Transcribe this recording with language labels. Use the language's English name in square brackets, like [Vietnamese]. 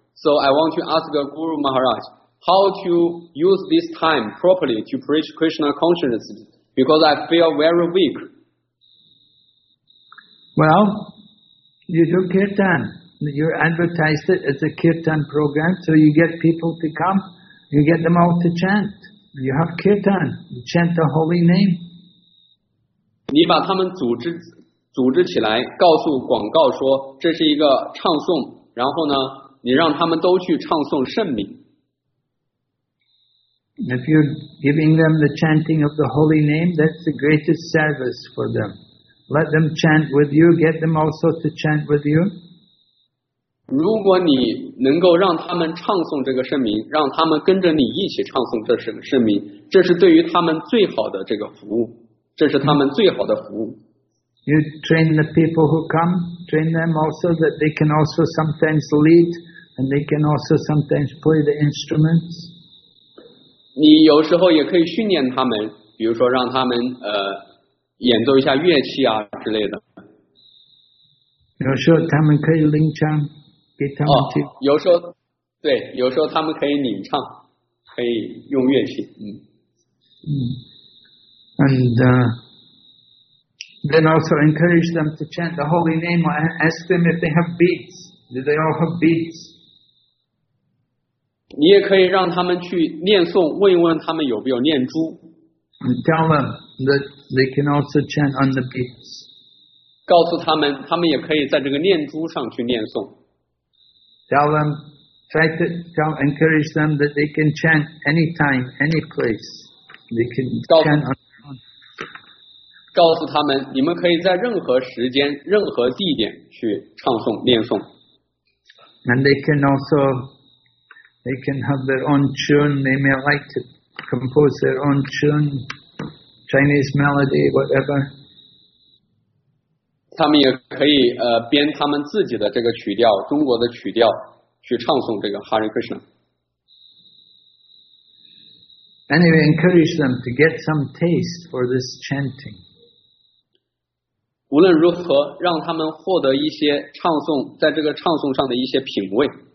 [English] So I want to ask Guru Maharaj, how to use this time properly to preach Krishna consciousness? Because I feel very weak. Well, you do kirtan. You advertise it as a kirtan program, so you get people to come, you get them all to chant. You have kirtan, you chant the holy name. [Chinese] 你把他们组织起来告诉广告说这是一个唱诵然后呢你让他们都去唱诵圣名 [English] If you're giving them the chanting of the holy name that's the greatest service for them Let them chant with you get them also to chant with you [Chinese] 如果你能够让他们唱诵这个圣名让他们跟着你一起唱诵这是个圣名这是对于他们最好的这个服务这是他们最好的服务。 [English] You train the people who come, train them also that they can also sometimes lead and they can also sometimes play the instruments. [Chinese] 你有时候也可以训练他们，比如说让他们演奏一下乐器啊之类的。有时候他们可以领唱，给他们听。有时候，对，有时候他们可以领唱，可以用乐器，嗯。嗯。 [English] And then also encourage them to chant the holy name. I ask them if they have beads. Do they all have beads? [Chinese] 你也可以让他们去念诵，问一问他们有没有念珠。 [English] And tell them that they can also chant on the beads. [Chinese] 告诉他们，他们也可以在这个念珠上去念诵。 [English] Tell them, try to tell, encourage them that they can chant anytime, any place. They can chant on. [Chinese] 告诉他们，你们可以在任何时间、任何地点去唱诵、念诵。 [English] And they can also, they can have their own tune. They may like to compose their own tune, Chinese melody, whatever. [Chinese] 他们也可以编他们自己的这个曲调，中国的曲调去唱诵这个 Hare Krishna。 [English] Anyway, encourage them to get some taste for this chanting. [Chinese] 无论如何让他们获得一些唱诵，在这个唱诵上的一些品味。